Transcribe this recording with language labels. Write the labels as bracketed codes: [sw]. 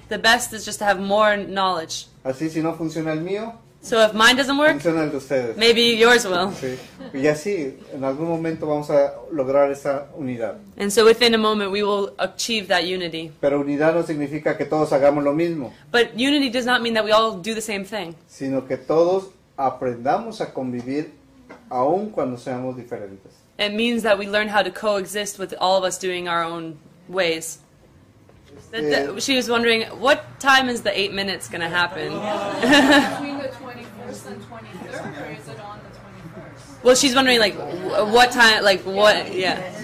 [en] The best is just to have more knowledge. [es] Así si no funciona el mío. [en] So if mine doesn't work, [es] funciona el de ustedes. [en] Maybe yours will. [es] Sí. Y así, en algún momento vamos a lograr esa unidad. [en] And so within a moment we will achieve that unity. [es] Pero unidad no significa que todos hagamos lo mismo. [en] But unity does not mean that we all do the same thing. [es] Sino que todos aprendamos a convivir aun cuando seamos diferentes. [en] It means that we learn how to coexist with all of us doing our own ways. She was wondering, what time is the 8 minutes going to happen? Well, she's wondering, like, what time, like, what, yeah.